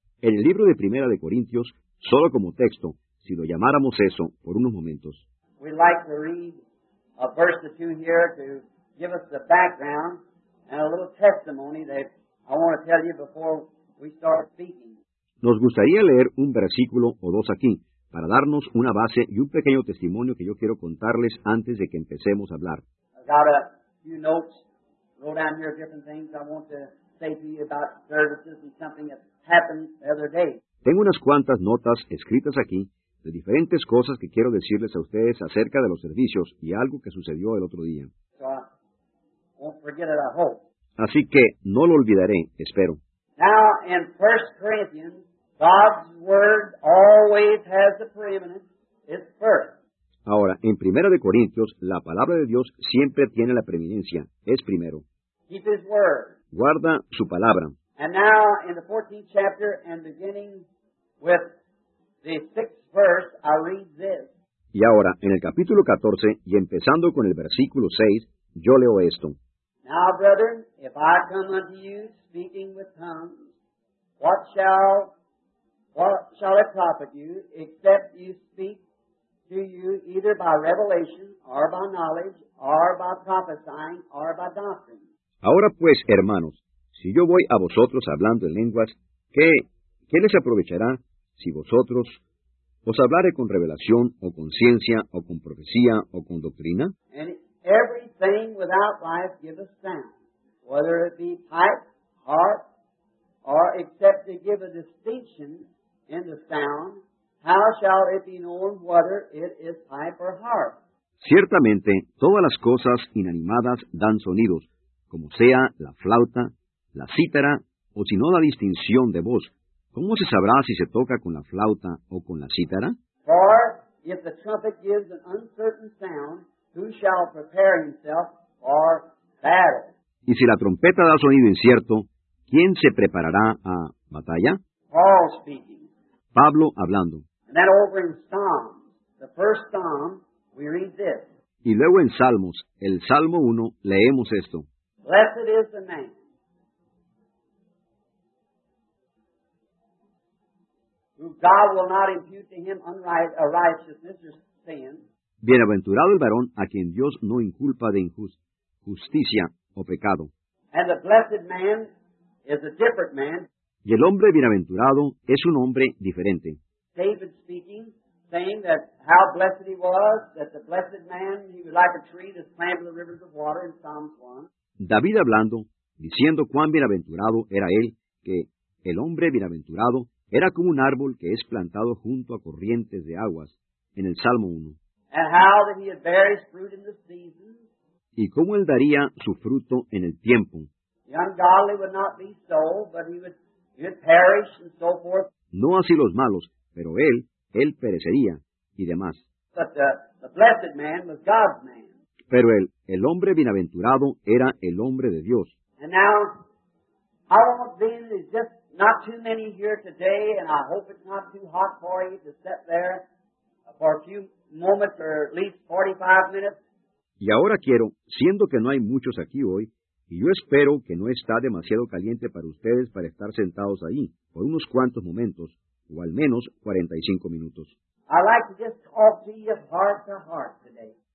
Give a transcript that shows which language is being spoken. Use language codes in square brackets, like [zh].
[es] En el libro de Primera de Corintios, solo como texto, si lo llamáramos eso por unos momentos. [en] We'd like to read a verse or two here to give us the background. And a little testimony that I want to tell you before we start speaking. [es] Nos gustaría leer un versículo o dos aquí para darnos una base y un pequeño testimonio que yo quiero contarles antes de que empecemos a hablar. [en] I've got a few notes, wrote down here different things I want to say to you about services and something that happened the other day. [es] Tengo unas cuantas notas escritas aquí de diferentes cosas que quiero decirles a ustedes acerca de los servicios y algo que sucedió el otro día. [en] Won't forget it, I hope. [es] Así que no lo olvidaré, espero. [en] Now in 1 Corinthians, God's word always has the preeminence. It's first. [es] Ahora, en Primera de Corintios, la palabra de Dios siempre tiene la preeminencia. Es primero. [en] Keep his word. [es] Guarda su palabra. [en] And now in the 14th chapter and beginning with the 6th verse, I read this. [es] Y ahora, en el capítulo 14 y empezando con el versículo 6, yo leo esto. [en] Now, brethren, if I come unto you speaking with tongues, what shall it profit you, except you speak to you either by revelation, or by knowledge, or by prophesying, or by doctrine? [es] Ahora pues, hermanos, si yo voy a vosotros hablando en lenguas, ¿qué les aprovechará si vosotros os hablare con revelación, o con ciencia, o con profecía, o con doctrina? [en] Everything without life giveth sound, whether it be pipe, harp, or except to give a distinction in the sound, how shall it be known whether it is pipe or harp? [es] Ciertamente, todas las cosas inanimadas dan sonidos, como sea la flauta, la cítara, o si no la distinción de voz. ¿Cómo se sabrá si se toca con la flauta o con la cítara? [en] For if the trumpet gives an uncertain sound, who shall prepare himself for battle? [es] Y si la trompeta da sonido incierto, ¿quién se preparará a batalla? [en] Paul speaking. [es] Pablo hablando. [en] And then over in Psalms, the first Psalm, we read this. [es] Y luego en Salmos, el Salmo 1, leemos esto. [en] Blessed is the man. Who God will not impute to him a righteousness or sin. [es] Bienaventurado el varón a quien Dios no inculpa de injusticia o pecado. [en] And the blessed man is a different man. [es] Y el hombre bienaventurado es un hombre diferente. [en] David speaking, saying that how blessed he was, that the blessed man, he was like a tree that's planted by the rivers of water in Psalms 1. [es] David hablando, diciendo cuán bienaventurado era él, que el hombre bienaventurado era como un árbol que es plantado junto a corrientes de aguas, en el Salmo 1. [en] And how that he had bears fruit in the season. [es] Y cómo él daría su fruto en el tiempo. [en] The ungodly would not be so, but he would perish and so forth. [es] No así los malos, pero él perecería, y demás. [en] But the blessed man was God's man. [es] Pero el hombre bienaventurado era el hombre de Dios. [en] And now, I want then is just not too many here today, and I hope it's not too hot for you to sit there for a few moments or at least 45 minutes. [es] Y ahora quiero, siendo que no hay muchos aquí hoy, y yo espero que no está demasiado caliente para ustedes para estar sentados ahí por unos cuantos momentos, o al menos 45 minutos. [en] I'd like to just talk to you heart to heart today.